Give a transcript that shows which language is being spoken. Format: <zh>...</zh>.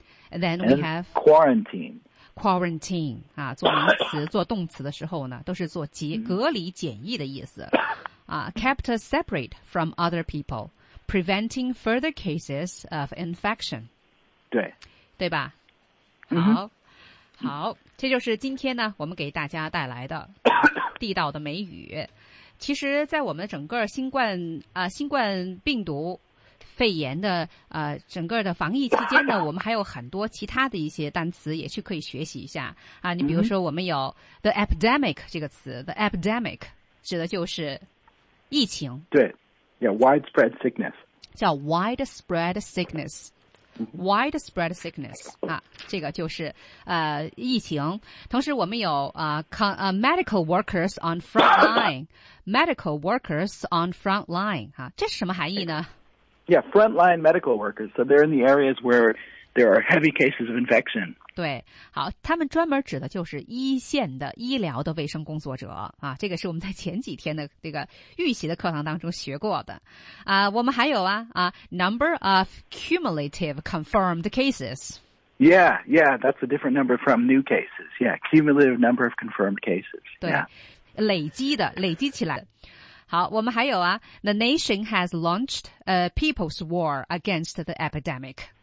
<en>Then And we have quarantine.</en> <zh>Quarantine, 啊做名词做动词的时候呢都是做隔离检疫的意思。</zh> <en>Kept separate from other people, preventing further cases of infection.</en> <zh>对。对吧好。好这就是今天呢我们给大家带来的地道的美语。其实在我们整个新冠病毒肺炎的整个的防疫期间呢我们还有很多其他的一些单词也去可以学习一下啊你比如说我们有 the epidemic 这个词 the epidemic 指的就是疫情</zh> <en>对 yeah, widespread sickness</en> <zh>叫</zh> <en>widespread sickness widespread sickness</en> <zh>啊这个就是疫情同时我们有</zh> <en>medical workers on front line</en> <zh>medical workers on front line 啊这是什么含义呢</zh> <en>Yeah, frontline medical workers. So they're in the areas where there are heavy cases of infection.</en> <zh>对，好，他们专门指的就是一线的医疗的卫生工作者啊，这个是我们在前几天的这个预习的课堂当中学过的啊。我们还有啊 ，</zh> <en>number of cumulative confirmed cases。 Yeah, yeah, that's a different number from new cases. Yeah, cumulative number of confirmed cases.</en> <zh>对，</zh> <en>yeah.</en> <zh>累积的，累积起来的。好，我们还有啊</zh> <en>，The nation has launched a people's war against the epidemic.</en>